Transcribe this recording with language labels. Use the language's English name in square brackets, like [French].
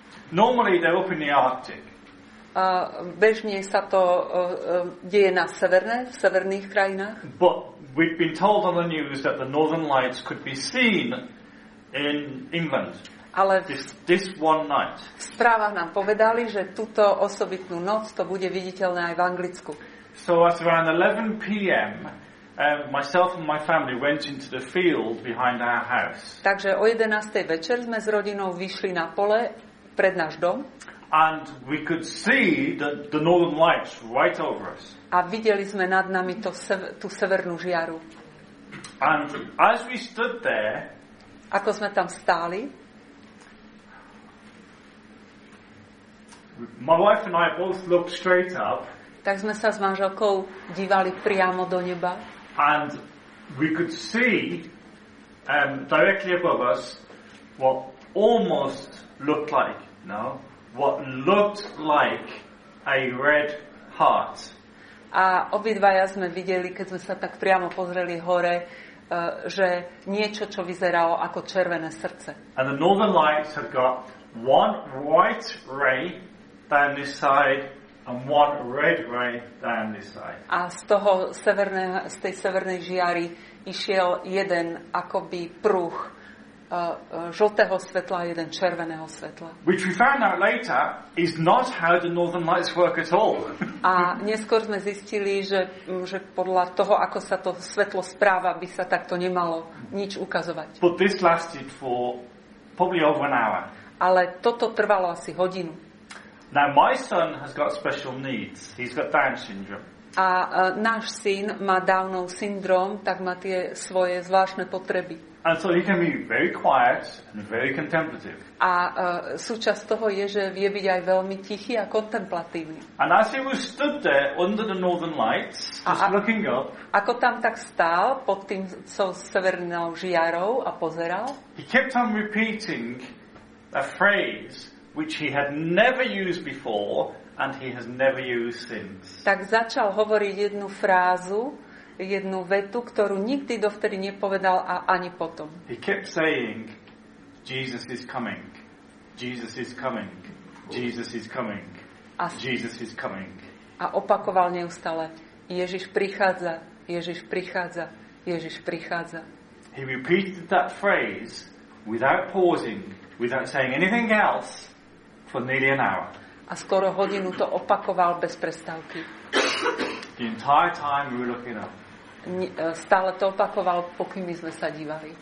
[English] Normally they're up in the Arctic. [Slovak] Bežne sa to deje na severné, v severných krajinách. [English] But we've been told on the news that the Northern Lights could be seen in England. [Slovak] Ale [English] this one night. [Slovak] V správach nám povedali, že túto osobitnú noc to bude viditeľné aj v Anglicku. [English] So at around 11 p.m. Myself and my family went into the field behind our house. [Slovak] Takže o 11. večer sme s rodinou vyšli na pole pred náš dom. [English] And we could see the Northern Lights right over us. [Slovak] A videli sme nad nami to tú severnú žiaru. [English] And as we stood there, [Slovak] ako sme tam stáli, [English] my wife and I both looked straight up. [Slovak] Tak sme sa s manželkou dívali priamo do neba. [English] And we could see directly above us what almost looked like, no? What looked like a red heart. [Slovak] A obidvaja sme videli, keď sme sa tak priamo pozreli hore, že niečo, čo vyzeralo ako červené srdce. [English] And the Northern Lights had got one white ray down this side and one red ray down this side. [Slovak] A z toho severného, z tej severnej žiary išiel jeden akoby pruh žltého svetla a jeden červeného svetla. [English] Which we found out later is not how the Northern Lights work at all. [Slovak] A neskôr sme zistili, že podľa toho, ako sa to svetlo správa, by sa takto nemalo nič ukazovať. [English] But this lasted for probably over an hour. [Slovak] Ale toto trvalo asi hodinu. [English] Now my son has got special needs. He's got Down syndrome. [Slovak] A náš syn má Downov syndrom, tak má tie svoje zvláštne potreby. [English] And so he can be very quiet and very contemplative. [Slovak] A súčasť toho je, že vie byť aj veľmi tichý a kontemplatívny. [English] And as he was stood there under the Northern Lights, just looking up. [Slovak] Ako tam tak stál pod tým severnou žiarou a pozeral. [English] He kept on repeating a phrase which he had never used before and he has never used since. [Slovak] Tak začal hovoriť jednu frázu, jednu vetu, ktorú nikdy dovtedy nepovedal a ani potom. [English] He kept saying, Jesus is coming. Jesus is coming. Jesus is coming. Jesus is coming. [Slovak] A opakoval neustále, Ježiš prichádza, Ježiš prichádza, Ježiš prichádza. [English] He repeated that phrase without pausing, without saying anything else for nearly an hour. [Slovak] A skoro hodinu to opakoval bez prestávky. [English] The entire time we were looking up. [Slovak] Stále to opakoval, pokým sme sa dívali.